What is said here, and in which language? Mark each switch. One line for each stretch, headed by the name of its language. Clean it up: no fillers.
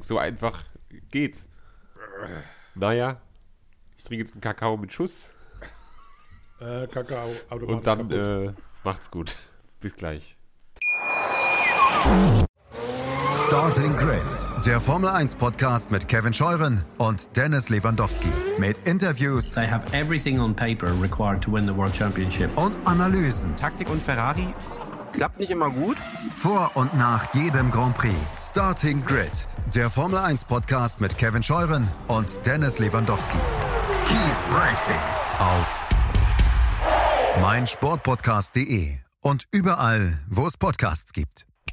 German: So einfach geht's. Naja, ich trinke jetzt einen Kakao mit Schuss. Kakao automatisch. Und dann macht's gut. Bis gleich. Starting Grid, der Formel 1 Podcast mit Kevin Scheuren und Dennis Lewandowski. Mit Interviews.
English: I have everything on paper required to win the World Championship.
German: Und Analysen. Taktik und Ferrari klappt nicht immer gut. Vor und nach jedem Grand Prix. Starting Grid, der Formel 1 Podcast mit Kevin Scheuren und Dennis Lewandowski.
English: Keep racing.
German: Auf meinsportpodcast.de und überall, wo es Podcasts gibt.